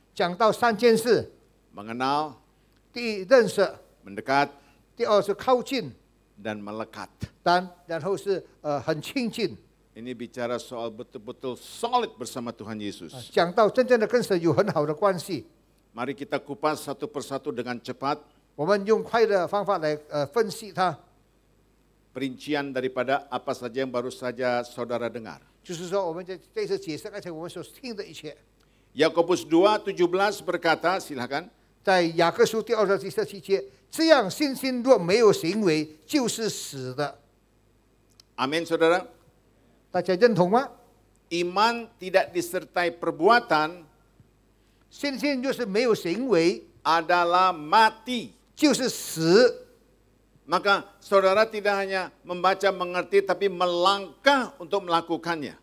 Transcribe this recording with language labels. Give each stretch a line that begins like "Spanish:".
Chinese: 讲到三件事.
Indonesian: Mengenal.
Chinese: 第一,认识.
Indonesian: Mendekat.
Chinese: 第二是靠近.
Indonesian: Dan melekat. Dan
Chinese: 后是很亲近.
Indonesian: Ini bicara soal betul-betul solid bersama Tuhan Yesus.
Chinese: 讲到真正的跟神有很好的关系.
Indonesian: Mari kita kupas satu persatu dengan cepat.
Chinese: 我们用快的方法来分析它.
Indonesian: Perincian daripada apa saja yang baru saja saudara dengar. Yakobus 2:17 berkata, silakan.
Chinese: Dai Yakobus 2:17,这样信心若没有行为就是死的.
Indonesian: Amin, saudara.
Chinese: 大家认同吗?
Indonesian: Iman tidak disertai perbuatan,
Chinese: 信心就是没有行为,
Indonesian: adalah mati,
Chinese: 就是死.
Indonesian: Maka saudara tidak hanya membaca, mengerti, tapi melangkah untuk melakukannya.